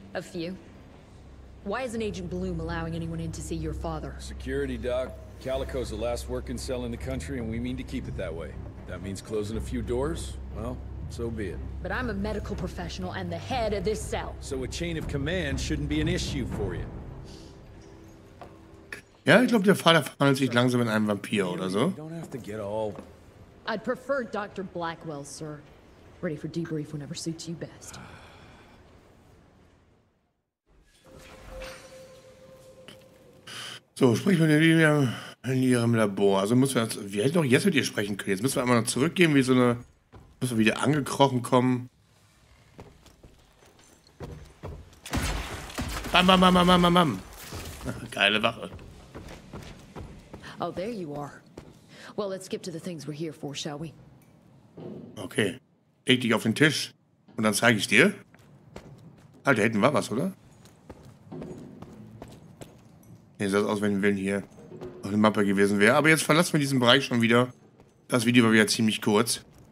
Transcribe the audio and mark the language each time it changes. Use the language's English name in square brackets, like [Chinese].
[English] A few. Why isn't Agent Bloom allowing anyone in to see your father? Security, Doc. Calico's the last working cell in the country, and we mean to keep it that way. That means closing a few doors? Well, so be it. But I'm a medical professional and the head of this cell. So a chain of command shouldn't be an issue for you. [German] Ja, ich glaube, der Vater verwandelt sich langsam in einen Vampir oder so. [English] Don't have to get all... I'd prefer Dr. Blackwell, sir. Ready for debrief whenever suits you best. [German] So, sprich mit dir, ja. In ihrem Labor. Also müssen wir jetzt, wir hätten doch jetzt mit ihr sprechen können. Jetzt müssen wir einmal noch zurückgehen, wie so eine. Müssen wir wieder angekrochen kommen. Bam, bam, bam, bam, bam, bam. Geile Wache. [English] Oh, there you are. Well, let's skip to the things we're here for, shall we? Okay. [German] Leg dich auf den Tisch und dann zeige ich dir. Alter, hätten wir was, oder? Nee, sieht aus, wenn wir hier. Eine Mappe gewesen wäre. Aber jetzt verlassen wir diesen Bereich schon wieder. Das Video war wieder ziemlich kurz.